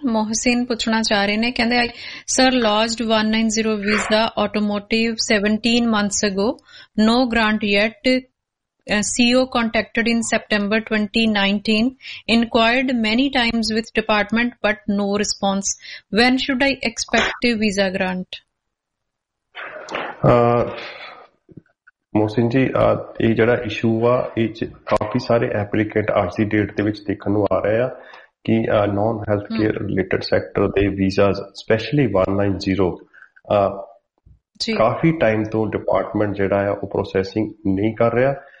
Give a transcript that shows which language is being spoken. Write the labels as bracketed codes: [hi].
[pa] ਮੋਹਸਿਨ ਪੁੱਛਣਾ ਚਾਹ ਰਹੇ ਨੇ, ਕਹਿੰਦੇ [en] Sir lodged 190 visa automotive 17 months ago, no grant yet, CO contacted in September 2019, inquired many times with department but no response. When should I expect a visa grant? [pa] Mohsin ji, ਇਹ ਜਿਹੜਾ issue ਆ ਇਹ ਚ ਕਾਫੀ ਸਾਰੇ ਐਪਲੀਕੈਂਟ ਅੱਜ ਦੀ date ਦੇ ਵਿੱਚ ਦੇਖਣ ਨੂੰ ਆ ਰਹੇ ਆ ਕਿ non health care related sector ਦੇ ਵੀਜ਼ਾ ਸਪੈਸ਼ਲੀ 190 ਕਾਫੀ ਟਾਈਮ ਤੋਂ ਡਿਪਾਰਟਮੈਂਟ ਜਿਹੜਾ ਆ ਉਹ ਪ੍ਰੋਸੈਸਿੰਗ ਨਹੀਂ ਕਰ ਰਿਹਾ।